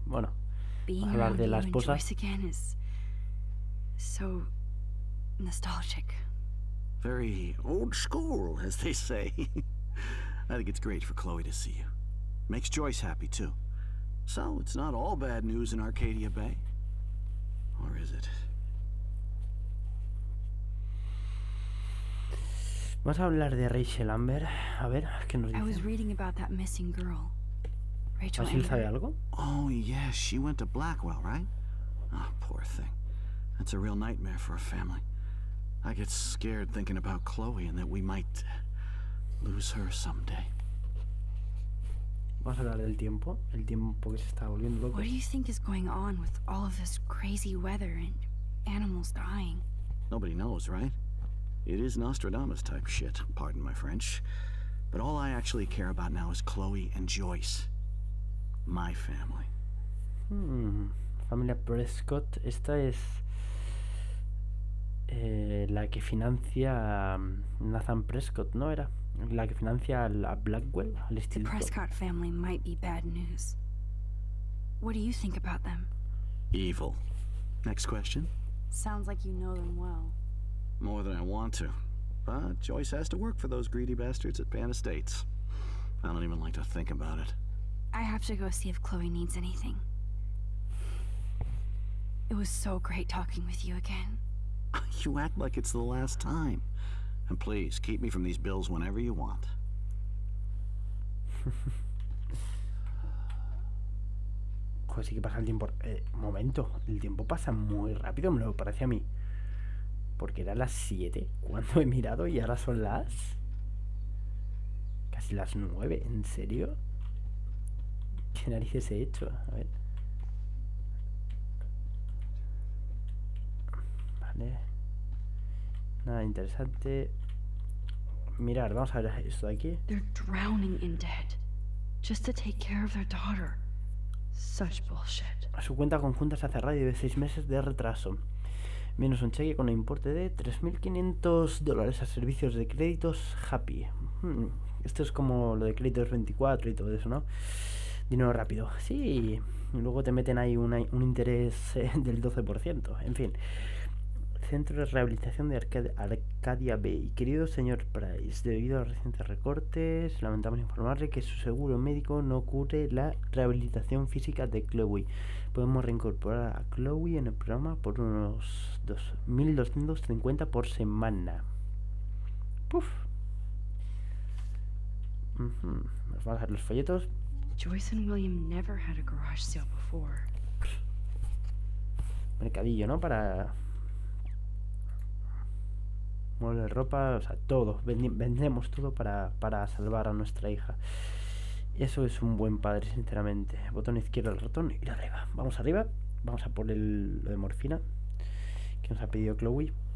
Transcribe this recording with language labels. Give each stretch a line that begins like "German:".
Spanish: Bueno, hablar de la esposa.
English: So nostalgic. Very old school, as they say. I think it's great for Chloe to see you. Makes Joyce happy too. So it's not all bad news in Arcadia Bay. Or is it?
Spanish: Vamos a hablar de Rachel Amber. A ver, ¿qué nos dice?
English: I was reading about that missing girl.
Spanish: ¿Rachel sabe algo?
English: Oh, yes, she went to Blackwell, right? Ah, oh, poor thing. That's a real nightmare for a family. I get scared thinking about Chloe and that we might lose her someday.
Spanish: Vamos a hablar del tiempo. El tiempo que se está volviendo loco.
English: What do you think is going on with all of this crazy weather and animals dying? Nobody knows, right? It is Nostradamus type shit, pardon my French. But all I actually care about now is Chloe and Joyce. My family.
Spanish: Familia Prescott, esta es la que financia Nathan Prescott, ¿no era? La que financia a Blackwell, al instituto.
English: The Prescott family might be bad news. What do you think about them? Evil. Next question. Sounds like you know them well. More than I want to. But Joyce has to work for those greedy bastards at Pan Estates. I don't even like to think about it. I have to go see if Chloe needs anything. It was so great talking with you again. You act like it's the last time. And please, keep me from these bills whenever you want.
Spanish: Joder, sí que pasa el tiempo. Momento, el tiempo pasa muy rápido, me lo parece a mí. Porque era las 7 cuando he mirado y ahora son las... casi las 9, ¿en serio? ¿Qué narices he hecho? A ver. Vale. Nada interesante. Mirad, vamos a ver esto de aquí.
English: They're drowning in debt. Just to take care of their daughter. Such bullshit.
Spanish: A su cuenta conjunta se ha cerrado y debe 6 meses de retraso. Menos un cheque con el importe de $3,500 a servicios de créditos Happy. Esto es como lo de créditos 24 y todo eso, ¿no? Dinero rápido. Sí, luego te meten ahí un interés del 12%. En fin. Centro de Rehabilitación de Arcadia Bay. Querido señor Price, debido a los recientes recortes, lamentamos informarle que su seguro médico no cubre la rehabilitación física de Chloe. Podemos reincorporar a Chloe en el programa por unos 1.250 por semana. Puf. Nos vamos a ver los folletos.
English: Joyce and William never had a garage sale before.
Spanish: Mercadillo, ¿no? Para muebles, ropa, o sea, todo. Vendemos todo para salvar a nuestra hija. Eso es un buen padre, sinceramente. Botón izquierdo al ratón y arriba. Vamos arriba. Vamos a por lo de morfina que nos ha pedido Chloe.